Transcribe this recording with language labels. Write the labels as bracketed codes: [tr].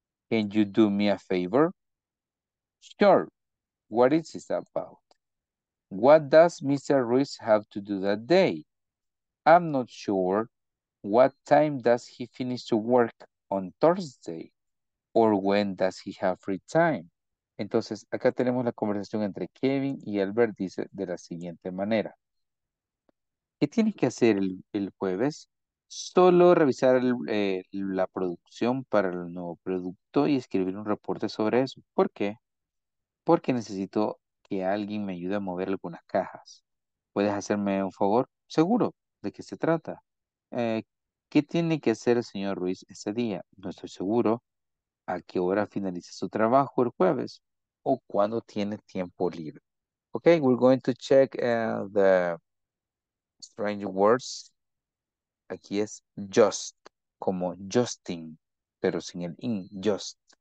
[en] Can you do me a favor? Sure. What is it about? What does Mr. Ruiz have to do that day? I'm not sure. What time does he finish to work on Thursday? Or when does he have free time? [es] Entonces, acá tenemos la conversación entre Kevin y Albert, dice de la siguiente manera. ¿Qué tienes que hacer el jueves? Solo revisar la producción para el nuevo producto y escribir un reporte sobre eso. ¿Por qué? Porque necesito que alguien me ayude a mover algunas cajas. ¿Puedes hacerme un favor? Seguro. ¿De qué se trata? ¿Qué tiene que hacer el señor Ruiz ese día? No estoy seguro. ¿A qué hora finaliza su trabajo el jueves? ¿O cuándo tiene tiempo libre? [en] Ok, we're going to check the strange words. [es] Aquí es just, como Justin, pero sin el in, just.